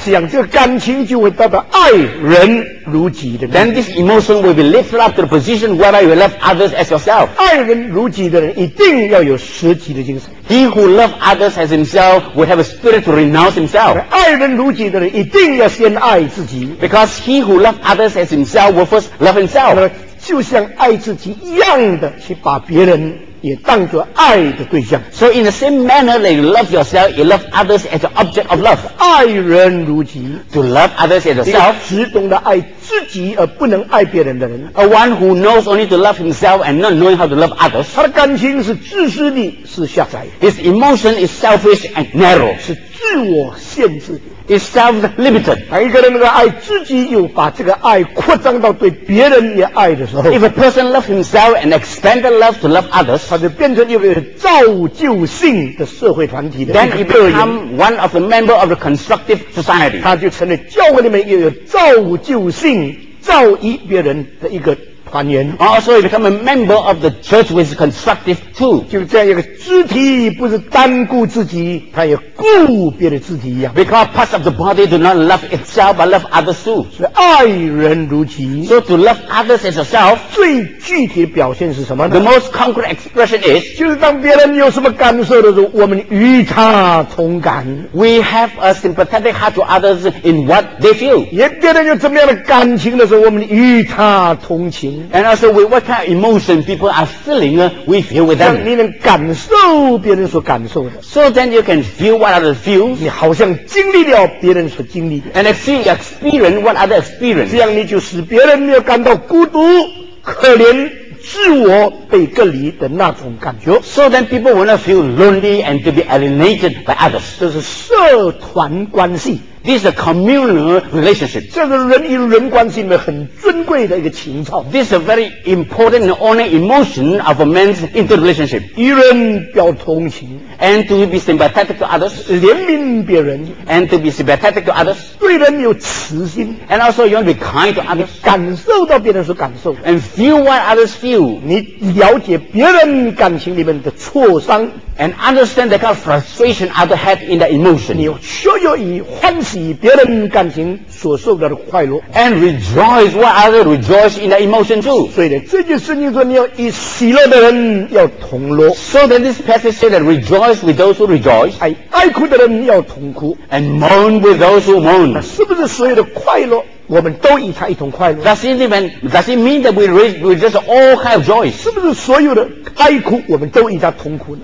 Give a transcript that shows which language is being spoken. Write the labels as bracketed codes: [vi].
[zh] 这样这个感情就会达到爱人如己的人。 [en] Then this emotion will be lifted up to the position where you love others as yourself. [zh] 爱人如己的人一定要有舍己的精神。 [en] He who loves others as himself will have a spirit to renounce himself. [zh] 爱人如己的人一定要先爱自己。 [en] Because he who loves others as himself will first love himself. [zh] 就像爱自己一样的去把别人也当作爱的对象。 [en] So in the same manner that you love yourself, you love others as an object of love. [zh] 爱人如己。 [en] To love others as yourself. [zh] 只懂得爱自己而不能爱别人的人。 [en] A one who knows only to love himself and not knowing how to love others. [zh] 他的感情是自私的，是狭窄。 [en] His emotion is selfish and narrow. [zh] 是自我限制的。 [en] Is self-limited. [zh] 一个人能够爱自己，又把这个爱扩张到对别人也爱的时候 [en] ，If a person loves himself and expands the love to love others， [zh] 他就变成一个造就性的社会团体的 [en] ，Then he become one of the member of the constructive society。 [zh] 他就成了教会里面一个造就性、造诣别人的一个团员。 [en] Also, he become a member of the church which is constructive too. [zh] 就这样一个肢体不是单顾自己，他也顾别的肢体一样。 [en] Because parts of the body do not love itself but love others too. [zh] 所以爱人如己。 [en] So to love others as yourself, [zh] 最具体的表现是什么呢？ [en] The most concrete expression is, [zh] 就是当别人有什么感受的时候，我们与他同感。 [en] We have a sympathetic heart to others in what they feel. [zh] 也别人有怎么样的感情的时候，我们与他同情。 [en] And also with what kind of emotion people are feeling, we feel with them. [zh] 让你能感受别人所感受的。 [en] So then you can feel what others feel. [zh] 你好像经历了别人所经历的。 [en] And if you experience what others experience. [zh] 这样你就使别人没有感到孤独、可怜、自我被隔离的那种感觉。 [en] So then people will not feel lonely and to be alienated by others. [zh] 这是社团关系。 [en] This is a communal relationship. [zh] 这个人与人关系里面很尊贵的一个情操。 [en] This is a very important and honoring emotion of a man's interrelationship. [zh] 与人要同情。 [en] And to be sympathetic to others. [zh] 怜悯别人。 [en] And to be sympathetic to others. [zh] 对人有慈心。 [en] And also you want to be kind to others. [zh] 感受到别人所感受。 [en] And feel what others feel. [zh] 你了解别人感情里面的挫伤。 [en] and understand the kind of frustration other had in that emotion. [zh] 你却要以欢喜别人感情所受到的快乐 [en] and rejoice what other rejoice in that emotion too. [zh] 所以呢，这句圣经说你要以喜乐的人要同乐 [en] So then this passage says that rejoice with those who rejoice. [zh] 爱哭的人要同哭 [en] and mourn with those who mourn. [zh] 是不是所有的快乐？我们都与他一同快乐。 [en] Does it mean that we just all have joy? [zh] 是不是所有的哀哭我们都与他同哭呢